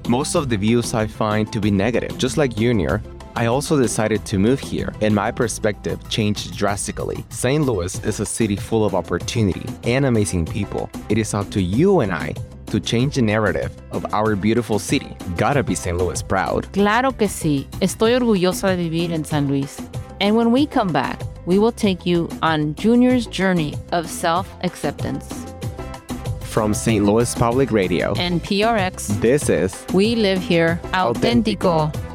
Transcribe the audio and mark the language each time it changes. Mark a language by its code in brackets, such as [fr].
[en] Most of the views I find to be negative, just like Junior. I also decided to move here, and my perspective changed drastically. St. Louis is a city full of opportunity and amazing people. It is up to you and I to change the narrative of our beautiful city. Gotta be St. Louis proud. [es] Claro que sí. Estoy orgullosa de vivir en San Luis. [en] And when we come back, we will take you on Junior's journey of self-acceptance. From St. Louis Public Radio and PRX, this is We Live Here Auténtico.